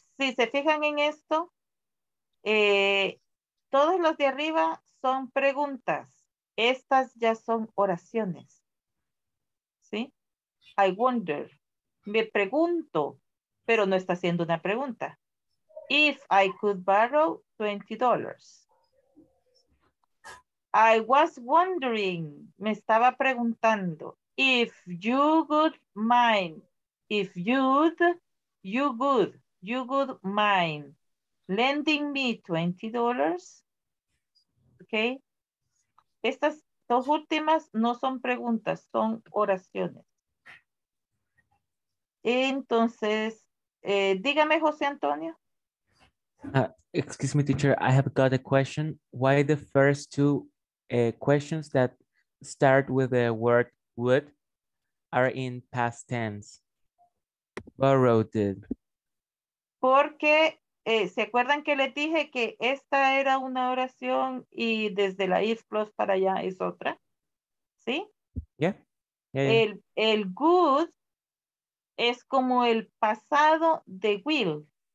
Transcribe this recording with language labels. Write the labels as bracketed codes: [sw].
[es] Si se fijan en esto, todos los de arriba son preguntas. Estas ya son oraciones. [en] I wonder, [es] me pregunto, pero no está haciendo una pregunta. [en] If I could borrow $20. I was wondering, [es] me estaba preguntando, [en] if you would mind, if you'd, you would mind lending me $20. Okay. [es] Estas dos últimas no son preguntas, son oraciones. Entonces, dígame, José Antonio. [en] Excuse me, teacher. I have got a question. Why the first two questions that start with the word would are in past tense? Borrowed. [es] Porque, ¿se acuerdan que les dije que esta era una oración y desde la if clause para allá es otra? ¿Sí? [en] Yeah. [es] El good es como el pasado de will.